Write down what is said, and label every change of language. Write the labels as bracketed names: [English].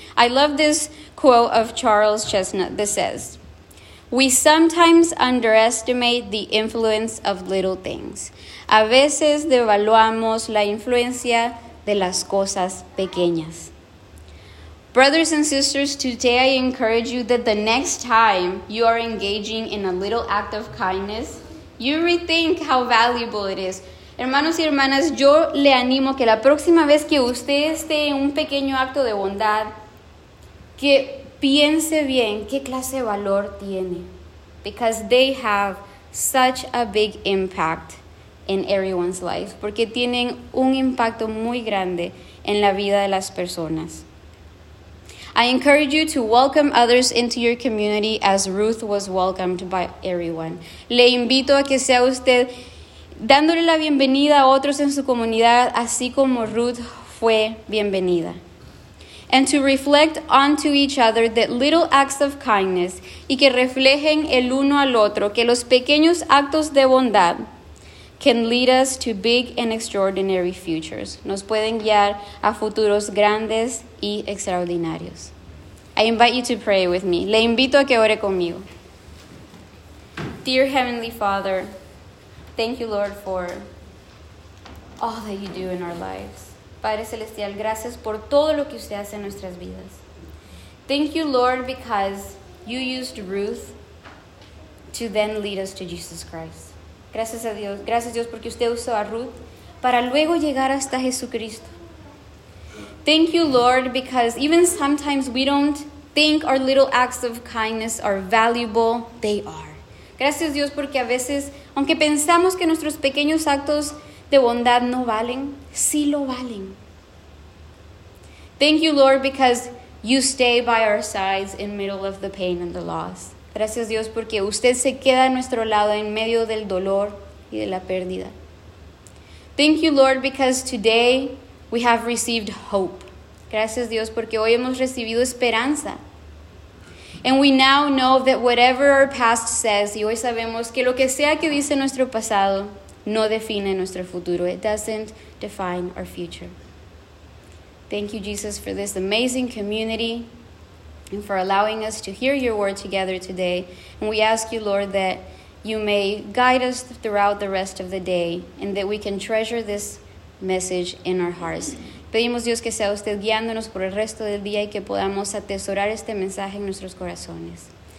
[English] I love this quote of Charles Chestnut that says, "We sometimes underestimate the influence of little things." [Spanish] A veces devaluamos la influencia de las cosas pequeñas. [English] Brothers and sisters, today I encourage you that the next time you are engaging in a little act of kindness, you rethink how valuable it is. [Spanish] Hermanos y hermanas, yo le animo que la próxima vez que usted esté en un pequeño acto de bondad, que piense bien qué clase de valor tiene. [English] Because they have such a big impact in everyone's life. [Spanish] Porque tienen un impacto muy grande en la vida de las personas. [English] I encourage you to welcome others into your community as Ruth was welcomed by everyone. [Spanish] Le invito a que sea usted dándole la bienvenida a otros en su comunidad, así como Ruth fue bienvenida. [English] And to reflect onto each other that little acts of kindness, [Spanish] y que reflejen el uno al otro, que los pequeños actos de bondad [English] can lead us to big and extraordinary futures. [Spanish] Nos pueden guiar a futuros grandes y extraordinarios. [English] I invite you to pray with me. [Spanish] Le invito a que ore conmigo. [English] Dear Heavenly Father, thank you, Lord, for all that you do in our lives. [Spanish] Padre Celestial, gracias por todo lo que usted hace en nuestras vidas. [English] Thank you, Lord, because you used Ruth to then lead us to Jesus Christ. [Spanish] Gracias a Dios. Gracias, Dios, porque usted usó a Ruth para luego llegar hasta Jesucristo. [English] Thank you, Lord, because even sometimes we don't think our little acts of kindness are valuable. They are. [Spanish] Gracias, Dios, porque a veces, aunque pensamos que nuestros pequeños actos de bondad no valen, sí lo valen. [English] Thank you, Lord, because You stay by our sides in middle of the pain and the loss. [Spanish] Gracias Dios porque usted se queda a nuestro lado en medio del dolor y de la pérdida. [English] Thank you, Lord, because today we have received hope. [Spanish] Gracias Dios porque hoy hemos recibido esperanza. [English] And we now know that whatever our past says, [Spanish] y hoy sabemos que lo que sea que dice nuestro pasado, no define nuestro futuro. [English] It doesn't define our future. Thank you, Jesus, for this amazing community and for allowing us to hear your word together today. And we ask you, Lord, that you may guide us throughout the rest of the day and that we can treasure this message in our hearts. [Spanish] Pedimos, Dios, que sea usted guiándonos por el resto del día y que podamos atesorar este mensaje en nuestros corazones.